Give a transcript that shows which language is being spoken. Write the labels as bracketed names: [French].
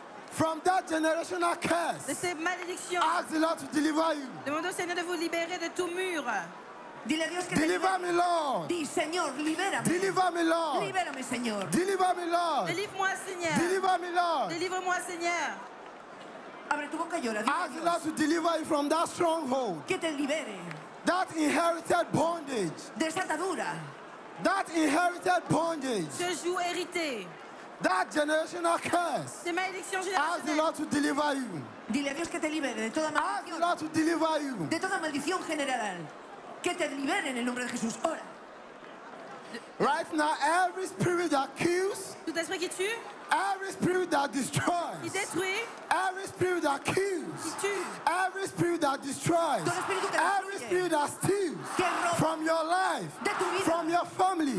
[English] From that generational curse. [French] De ces malédictions. [English] Ask the Lord to deliver you. [French] Demandez au Seigneur de vous libérer de tout mur. [English] Deliver me, Lord. [Spanish] Di, Señor, libérame. [English] Deliver me, Lord. [Spanish] Libérame, Señor. [English] Deliver me, Lord. [French] Délivre-moi, Seigneur. [English] Deliver me, Lord. [French] Délivre-moi, Seigneur. [Spanish] Abre tu boca y ora. [English] Ask the Lord to deliver you from that stronghold. [Spanish] Que te libere. [English] That inherited bondage. [Spanish] De esa atadura. [English] That inherited bondage. [French] Ce joug hérité. [English] That generational curse. [French] Ces malédictions générationnelles. [English] Ask the Lord to deliver you. [Spanish] Dile a Dios que te libere de toda maldición. [English] Ask the Lord to deliver you. [Spanish] De toda maldición general. Que te libere en el nombre de Jesús. Ora. [English] Right now, every spirit that kills, [French] tout esprit qui tue, [English] every spirit that destroys, [French] qui détruit, [English] every spirit that kills, [French] qui tue, [English] every spirit that destroys, [Spanish] ton espíritu que [English] every [Spanish] destruye, [English] spirit that steals, [Spanish] que roba, [English] from your life, [Spanish] de tu vida, [English] from your family,